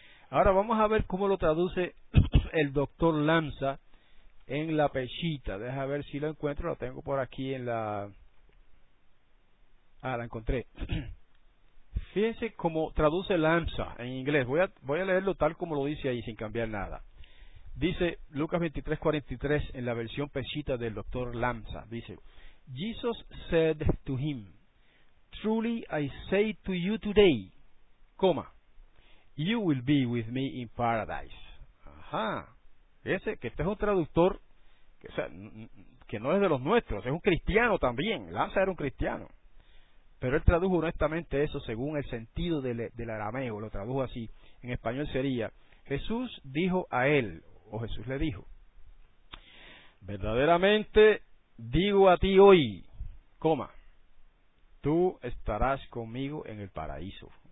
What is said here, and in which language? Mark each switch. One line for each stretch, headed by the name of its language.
Spanish: Ahora vamos a ver cómo lo traduce el doctor Lanza en la Peshitta. Deja ver si lo encuentro. Lo tengo por aquí en la Ah, la encontré. Fíjense cómo traduce Lamsa en inglés. Voy a leerlo tal como lo dice ahí, sin cambiar nada. Dice Lucas 23:43 en la versión pesita del doctor Lamsa. Dice:
English: Jesus said to him, truly I say to you today, coma, you will be with me in paradise.
Spanish: Ajá. Ese, que este es un traductor, que, o sea, que no es de los nuestros, es un cristiano también. Lamsa era un cristiano. Pero él tradujo honestamente eso según el sentido del arameo, lo tradujo así. En español sería, Jesús dijo a él, o Jesús le dijo, verdaderamente digo a ti hoy, coma, tú estarás conmigo en el paraíso.